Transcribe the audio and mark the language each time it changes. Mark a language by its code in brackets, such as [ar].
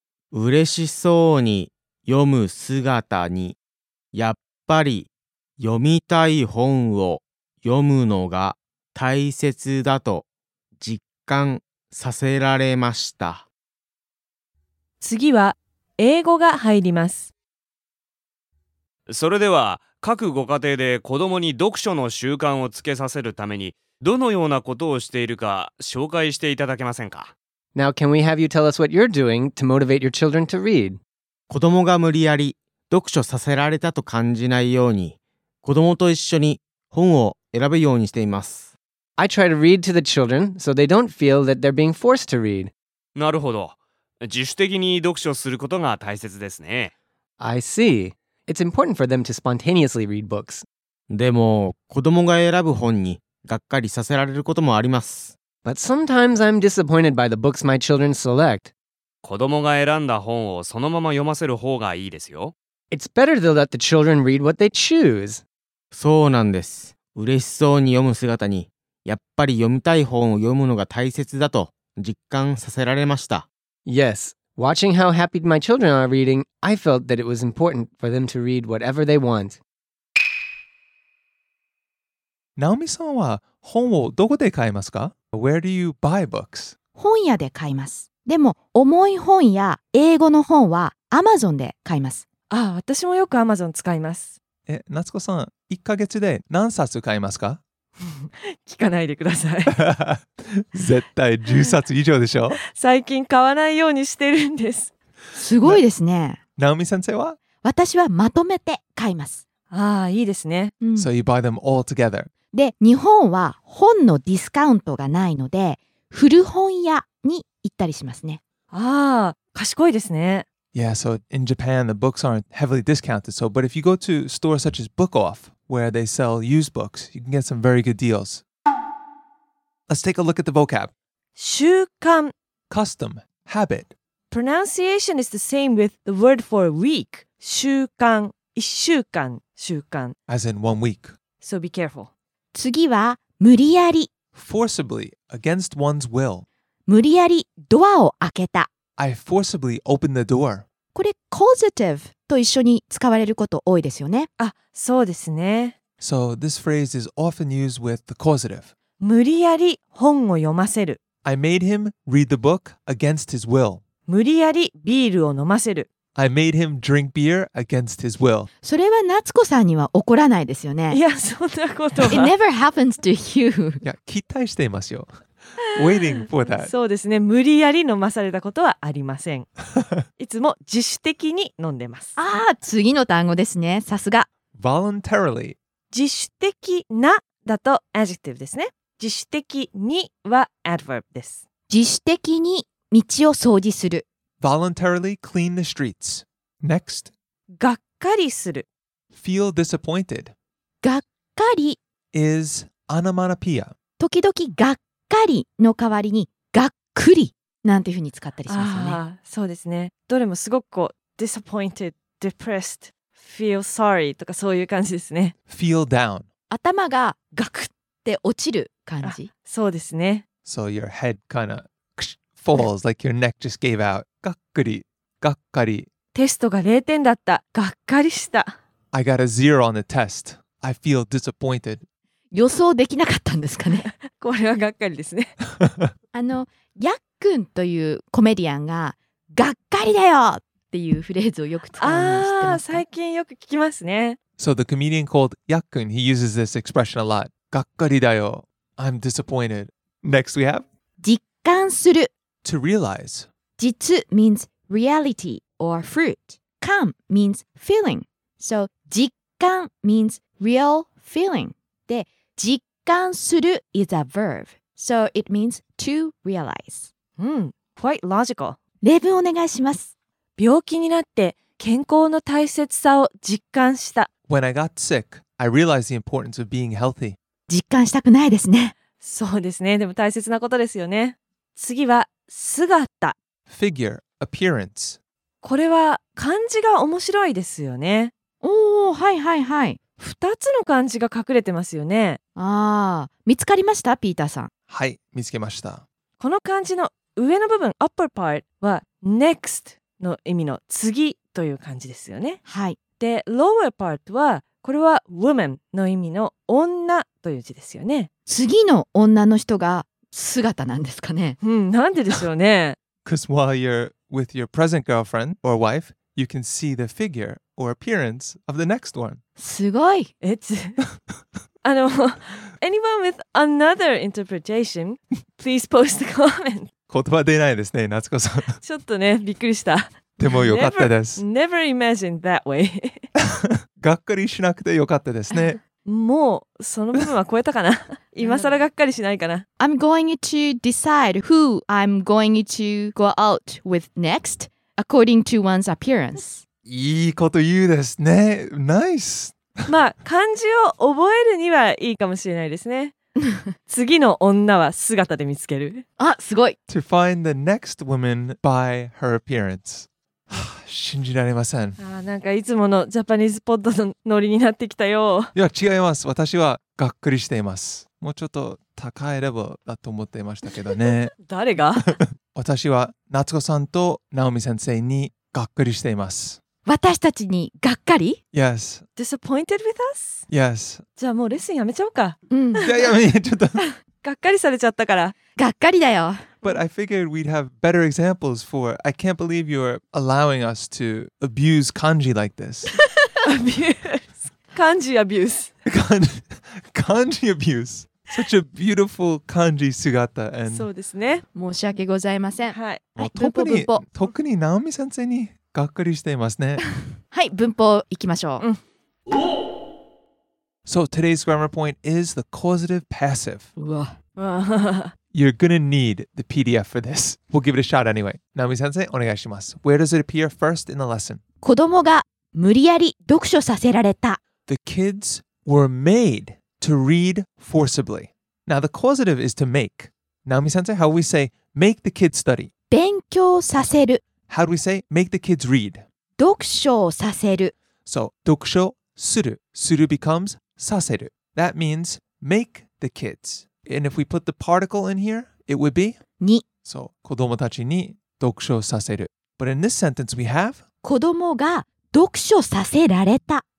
[ja] 嬉しそうに読む姿に、やっぱり読みたい本を読むのが大切だと実感させられました。次は英語が入ります。それでは、各ご家庭で子供に読書の習慣をつけさせるためにどのようなことをしているか紹介していただけませんか？ [en] Now, can we have you tell us what you're doing to motivate your children to read? [ja] 子供が無理やり読書させられたと感じないように、子供と一緒に本を選ぶようにしています。 [en] I try to read to the children so they don't feel that they're being forced to read. [ja] なるほど。自主的に読書することが大切ですね。 [en] I see. It's important for them to spontaneously read books. [ja] でも、子供が選ぶ本にがっかりさせられることもあります。 [en] But sometimes I'm disappointed by the books my children select. [ja] 子供が選んだ本をそのまま読ませる方がいいですよ。 [en] It's better to let the children read what they choose. [ja] そうなんです。嬉しそうに読む姿に、やっぱり読みたい本を読むのが大切だと実感させられました。 [en] Yes. Watching how happy my children are reading, I felt that it was important for them to read whatever they want. [ja] Naomi-san は本をどこで買いますか？ [en] Where do you buy books? [ja] 本屋で買います。でも、重い本や英語の本は Amazon で買います。ああ、私もよく Amazon 使います。え、夏子さん、1ヶ月で何冊買いますか？聞かないでください。絶対10冊以上でしょ？最近買わないようにしてるんです。すごいですね。ナオミ先生は？私はまとめて買います。ああ、いいですね。 [en] So you buy them all together. [ja] で、日本は本のディスカウントがないので、古本屋に行ったりしますね。ああ、賢いですね。 [en] Yeah, so in Japan, the books aren't heavily discounted. So, but if you go to stores such as Book Off, where they sell used books, you can get some very good deals. Let's take a look at the vocab. [ja] 習慣 [en] Custom, habit. Pronunciation is the same with the word for week. [ja] 習慣一週間習慣 [en] As in one week. So be careful. [ja] 次は無理やり [en] Forcibly, against one's will. [ja] 無理やりドアを開けた [en] I forcibly opened the door. [ja] これ causative と一緒に使われること多いですよね。あ、そうですね。 [en] So this phrase is often used with the causative. [ja] 無理やり本を読ませる。 [en] I made him read the book against his will. [ja] 無理やりビールを飲ませる。 [en] I made him drink beer against his will. [ja] それは夏子さんには怒らないですよね。いや、そんなことは。 [en] It never happens to you. [ja] いや、期待していますよ。 [en] Waiting for that. [ja] そうですね。無理やり飲まされたことはありません。いつも自主的に飲んでます。ああ、次の単語ですね。さすが。 [en] Voluntarily. [ja] 自主的なだと adjective ですね。自主的には adverb です。自主的に道を掃除する。 [en] Voluntarily clean the streets. Next. [ja] がっかりする。 [en] Feel disappointed. [ja] がっかり [en] is onomatopoeia. [ja] 時々がっかり。がっかりの代わりにがっくりなんていうふうに使ったりしますよね。あ、そうですね。どれもすごくこう [en] disappointed, depressed, feel sorry [ja] とかそういう感じですね。 [en] Feel down. [ja] 頭がガクって落ちる感じ。そうですね。 [en] So your head kind of falls like your neck just gave out. [ja] がっくり、がっかり。テストが0点だった。がっかりした。 [en] I got a zero on the test. I feel disappointed. [ja] 予想できなかったんですかね。これはがっかりですね。あのヤックンというコメディアンががっかりだよっていうフレーズをよく使うのを知ってますか。最近よく聞きますね。 [en] So the comedian called ヤックン he uses this expression a lot. [ja] がっかりだよ。 [en] I'm disappointed. Next we have [ja] 実感する。 [en] To realize. 実 means reality or fruit. 感 means feeling. So 実感 means real feeling. で、実感する is a verb. So it means to realize. Quite logical. [ja] 例文お願いします。病気になって健康の大切さを実感した。 [en] When I got sick, I realized the importance of being healthy. [ja] 実感したくないですね。そうですね。でも大切なことですよね。次は姿。 [en] Figure, appearance. [ja] これは漢字が面白いですよね。おー、はいはいはい。 2つの漢字が隠れてますよね。ああ、見つかりました、ピーターさん。はい、見つけました。この漢字の上の部分、 [en] upper part [ja] は next の意味の次という漢字ですよね。はい。で、 [en] lower part [ja] はこれは woman の意味の女という字ですよね。次の女の人が姿なんですかね。うん、なんででしょうね。 [en] Because while you're with your present girlfriend or wife, you can see the figure. Or appearance of the next one. [ja] すごい。 [en] It's あの anyone with another interpretation, please post the comment. [ja] 言葉出ないですね、夏子さん。ちょっとね、びっくりした。でもよかったです。 [en] Never imagined that way. [ja] がっかりしなくてよかったですね。もうその部分は超えたかな。今更がっかりしないかな。 [en] I'm going to decide who I'm going to go out with next according to one's appearance. [ja] いいこと言うですね。ナイス。まあ、漢字を覚えるにはいいかもしれないですね。次の女は姿で見つける。あ、すごい。 [en] To find the next woman by her appearance. [ja] 信じられません。あ、なんかいつものジャパニーズポッドのノリになってきたよ。いや、違います。私はがっくりしています。もうちょっと高いレベルだと思っていましたけどね。誰が？私は夏子さんと直美先生にがっくりしています。私たちにがっかり [en] Yes. Disappointed with us? Yes. [ja] じゃあもうレッスンやめちゃおうか。うん。いやいや、ちょっと。がっかりされちゃったから。がっかりだよ。 [en] But I figured we'd have better examples for I can't believe you're allowing us to abuse kanji like this. Abuse. Kanji abuse. Kanji abuse. Such a beautiful kanji 姿 and [ja] そうですね。申し訳ございません。はい。特に直美先生にがっかりしていますね。はい、文法いきましょう。うん。 [en] So today's grammar point is the causative passive. You're going to need the PDF for this. We'll give it a shot anyway. Naomi-sensei, [ja] onegaishimasu. [en] Where does it appear first in the lesson? [ja] 子供が無理やり読書させられた。 [en] The kids were made to read forcibly. Now the causative is to make. Naomi-sensei, how do we say make the kids study? [ja] 勉強させる。 [en] How do we say make the kids read? [ja] 読書をさせる。 [en] So, 読書する。する becomes させる。 That means make the kids. And if we put the particle in here, it would be? [ja] に。 So, 子供たちに読書させる。 [en] But in this sentence we have? [ja] 子供が読書させられた。